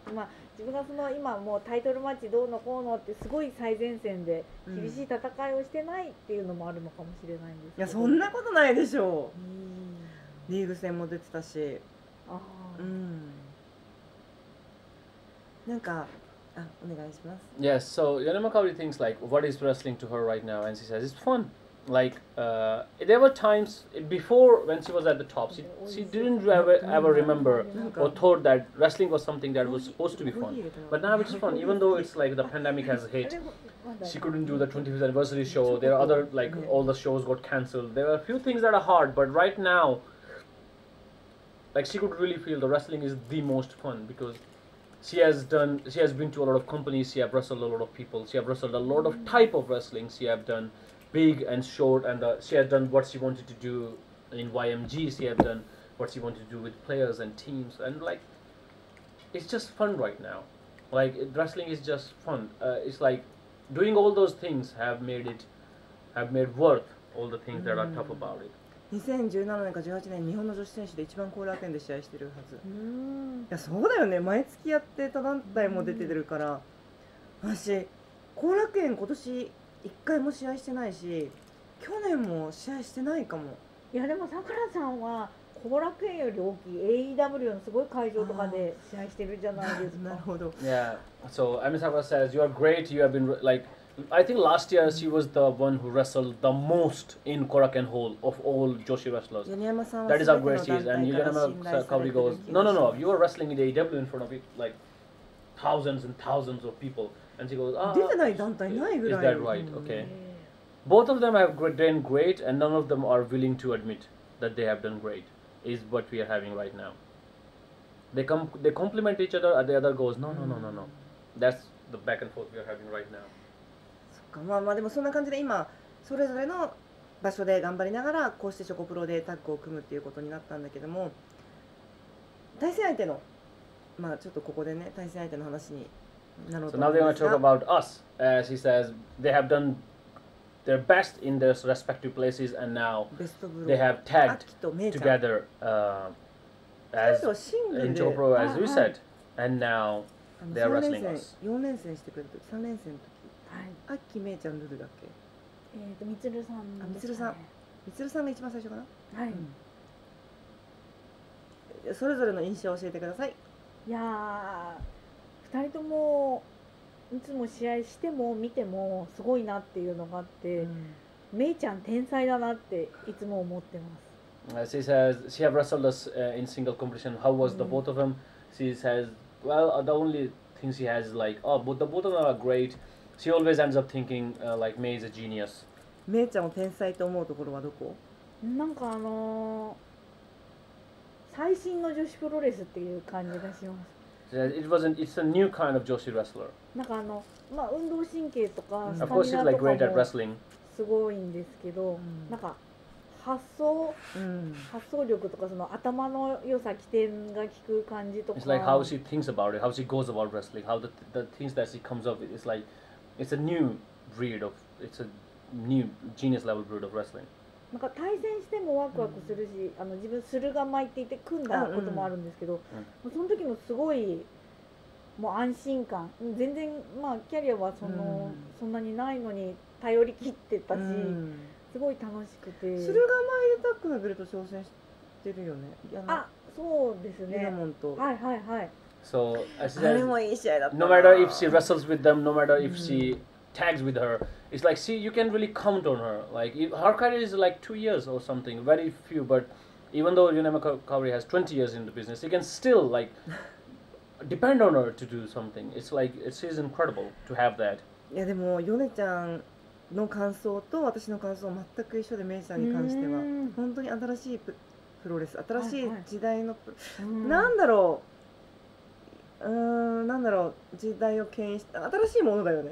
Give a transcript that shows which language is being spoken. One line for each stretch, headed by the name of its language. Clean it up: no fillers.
Japanese: まあ、自分がその今もうタイトルマッチどうのこうのってすごい最前線で厳しい戦いをしてないっていうのもあるのかもしれないんですけど、うん、いやそんなことないでしょう。リーグ戦も出てたし、あ、うん、なんかあ、お願いします。
English: Yes, so Yanema Kaori thinks like what is wrestling to her right now, and she says it's fun. Like there were times before when she was at the top, she didn't ever remember or thought that wrestling was something that was supposed to be fun. But now it's fun, even though it's like the pandemic has hit. She couldn't do the 25th anniversary show. There are other, like all the shows got canceled. There are a few things that are hard, but right now, like she could really feel the wrestling is the most fun because she has done, she has been to a lot of companies. She has wrestled a lot of people. She has wrestled a lot of type of wrestling. She has done big and short, and she had done what she wanted to do in YMG. She had done what she wanted to do with players and teams, and like it's just fun right now. Like wrestling is just fun. It's like doing all those things have made it, have made worth all the things that are tough about it.
Japanese: 2017年か18年、日本の女子選手で一番後楽園で試合してるはず。いやそうだよね。毎月やって他団体も出てるから、私後楽園今年一回も試合してないし、去年も試合してないかも。いやでもさくらさんは後楽園より大きい AEW のすごい会場とかで試合してるじゃないですか。なるほど。
English: Yeah, so Ami Sakura says you are great. You have been like, I think last year she was the one who wrestled the most in Korakuen Hall of all Joshi wrestlers. That is how great she is. And Yanema Kaori goes, no. You are wrestling in AEW in front of like thousands and thousands of people. And she goes, ah, is that right? Okay. Both of them have done great, and none of them are willing to admit that they have done great, is what we are having right now. They compliment each other, and the other goes, no. That's the back and forth we are having right now.
Japanese: そっか、まあまあでもそんな感じで今それぞれの場所で頑張りながらこうしてチョコプロでタッグを組むっていうことになったんだけども、対戦相手の、まあちょっとここでね、対戦相手の話に、
English: So now they're going to talk about us. As he says, they have done their best in their respective places, and now they have tagged together as in Chopro, as you said, and now they are wrestling us.
Japanese: 4連戦してくれる時、3連戦の時、はい、アッキーめいちゃんルルだっけ、みつるさん、みつるさん、みつるさんが一番最初かな、はい、うん、それぞれの印象を教えてください。いや二人ともいつも試合しても見てもすごいなっていうのがあって、めいちゃん天才だなっていつも思ってます。
English: She says she have wrestled us in single competition. How was the both of them? She says, well, the only thing she has is like, oh, but the both of them are great. She always ends up thinking like May is a genius.
Japanese: めいちゃんを天才と思うところはどこ？なんか最新の女子プロレスっていう感じがします。
English: It's a new kind of Joshi wrestler.
Japanese: なんかまあ運動神経とか、スタミナとかも、
English: like great at wrestling.
Japanese: すごいんですけど、なんか発想、発想力とかその頭の良さ、起点が効く感じとか。
English: It's like how she thinks about it, how she goes about wrestling, how the things that she comes up with. It's like it's a new breed of, it's a new genius level breed of wrestling.
Japanese: なんか対戦してもワクワクするし、自分するが舞っていて組んだこともあるんですけど、その時もすごいもう安心感、全然まあキャリアはそんなにないのに頼り切ってたし、すごい楽しくて、するが舞でタッグのベルト挑戦してるよね。あ、そうですね、リナモンと、はいはいはい、そう、あれもいい試合だった。
English: No matter if she wrestles with them, no matter if she tags with her, it's like, see, you can really count on her. Like, her career is like 2 years or something, very few, but even though Yunaima Kaori has 20 years in the business, you can still, like, depend on her to do something. It's like, she's incredible to have that. Yeah, but
Japanese: Yone-chan の感想と私の感想は全く一緒で、メイさんに関しては本当に新しいプロレス、新しい時代の、なんだろう、なんだろう、時代を牽引した新しいものだよね。